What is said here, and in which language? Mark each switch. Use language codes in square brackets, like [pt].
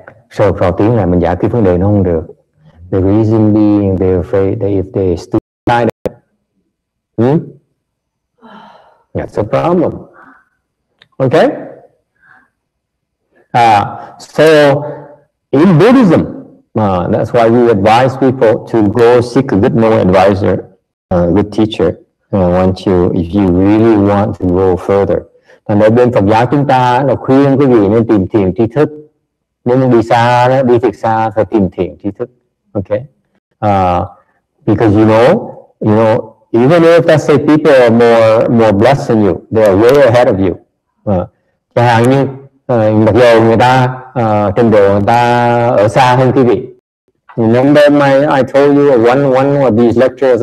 [vi] Sau vào tiếng này mình giải quyết vấn đề nó không được. [en] The reason being they're afraid that if they still try that, that's a problem. Okay? So in Buddhism, that's why we advise people to go seek a good moral advisor, a good teacher. If you really want to go further. [vi] Thành ra bên Phật giáo chúng ta là khuyên quý vị nên tìm thiền tri thức. Nếu muốn đi xa, đi thiệt xa, phải tìm thiền tri thức. [en] Okay. Because you know, even if let's say people are more blessed than you, they are way ahead of you. [vi] Chẳng hạn như, mặc dù người ta, trình độ người ta ở xa hơn quý vị. [en] Remember, I told you one of these lectures.